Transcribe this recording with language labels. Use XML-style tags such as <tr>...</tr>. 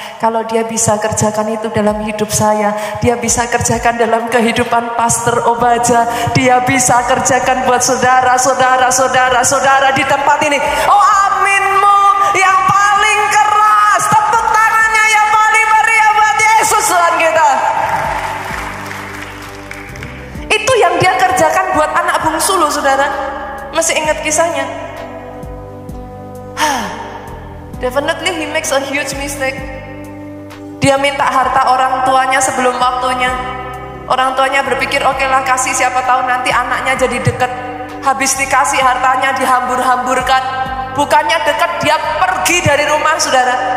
<id>Kalau dia bisa kerjakan itu dalam hidup saya, dia bisa kerjakan dalam kehidupan Pastor Obaja, dia bisa kerjakan buat saudara di tempat ini. Oh, aminmu yang paling keras. Tepuk tangannya yang paling meriah buat Yesus, Tuhan kita. Itu yang dia kerjakan buat anak bungsu lo, saudara. Masih ingat kisahnya?</id> <en>Definitely he makes a huge mistake.</en> <id>Dia minta harta orang tuanya sebelum waktunya. Orang tuanya berpikir, okelah kasih, siapa tahu nanti anaknya jadi dekat. Habis dikasih hartanya dihambur-hamburkan. Bukannya dekat, dia pergi dari rumah, saudara.</id>